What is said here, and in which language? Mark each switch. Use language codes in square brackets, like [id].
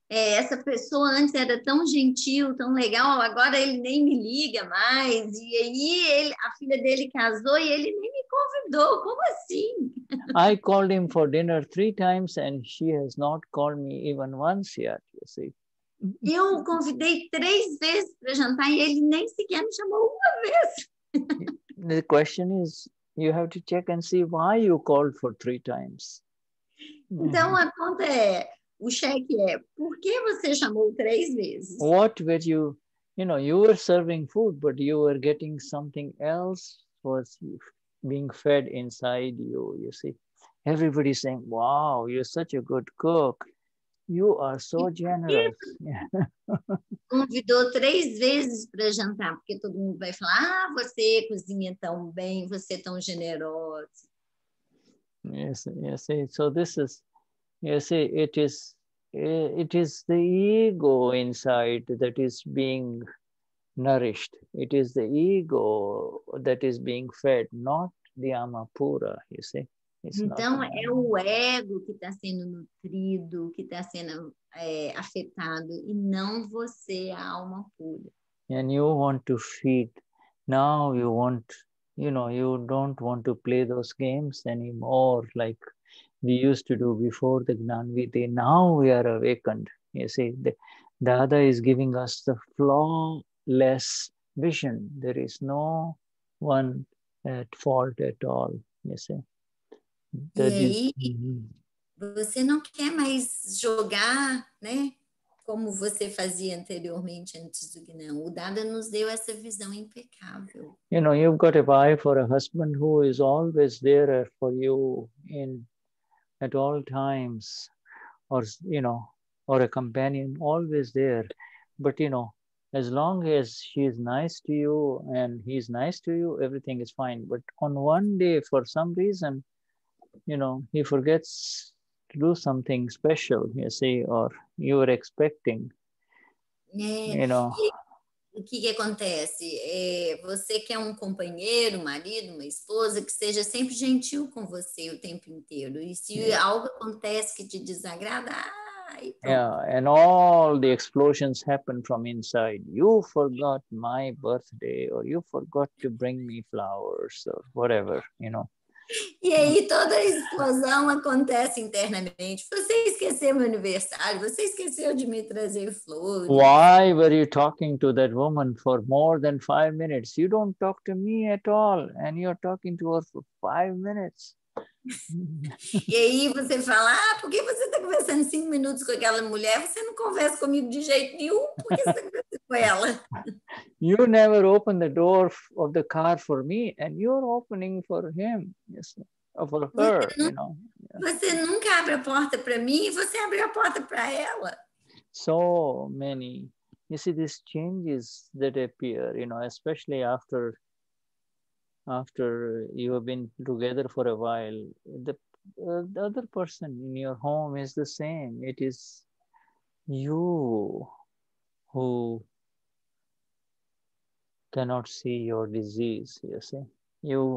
[pt] Essa pessoa antes era tão gentil, tão legal, agora ele nem me liga mais. E aí ele, a filha dele casou e ele nem me convidou. Como assim? [en] I called him for dinner 3 times and she has not called me even once yet, you see. [pt] Eu o convidei 3 vezes para jantar e ele nem sequer me chamou uma vez. [en] The question is, you have to check and see why you called for 3 times. [pt] Então a conta é, o cheque é, por que você chamou 3 vezes? [en] What were you, you know, you were serving food, but you were getting something else was being fed inside you, you see. Everybody saying, wow, you're such a good cook. You are so generous. [pt] Convidou 3 vezes para jantar, porque todo mundo vai falar, ah, você cozinha tão bem, você é tão generoso. [en] Yes, yes. So this is, yes, it is the ego inside that is being nourished. It is the ego that is being fed, not the amapura, you see. Então, é o ego que está sendo nutrido, que está sendo afetado, e não você, a alma pura. And you want to feed. Now you want, you know, you don't want to play those games anymore, like we used to do before the Gnanvidhi. Now we are awakened. You see, the Dada is giving us the flawless vision. There is no one at fault at all, you see. [pt] E aí, você não quer mais jogar, né? Como você fazia anteriormente antes do Gnan. O Dada nos deu essa visão impecável. [en] You know, you've got a wife or a husband who is always there for you at all times, or, you know, or a companion always there. But, you know, as long as she is nice to you and he is nice to you, everything is fine. But on one day, for some reason, you know, he forgets to do something special, you see, or you were expecting, you know. [pt] O que acontece? Você quer companheiro, marido, uma esposa que seja sempre gentil com você o tempo inteiro. E se algo acontece que te desagrada, [en] And all the explosions happen from inside. You forgot my birthday, or you forgot to bring me flowers, or whatever, you know. [pt] E aí toda a explosão acontece internamente. Você esqueceu meu aniversário, você esqueceu de me trazer flores. [en] Why were you talking to that woman for more than 5 minutes? You don't talk to me at all, and you're talking to her for 5 minutes. [pt] E aí você fala, ah, por que você está conversando 5 minutos com aquela mulher? Você não conversa comigo de jeito nenhum, por que você está conversando com ela? [en] You never open the door of the car for me, and you're opening for him, yes, or for her, you know. Yeah. [pt] Você nunca abre a porta para mim e você abre a porta para ela. [en] So many, you see, these changes that appear, you know, especially after you have been together for a while, the other person in your home is the same. It is you who cannot see your disease, you see.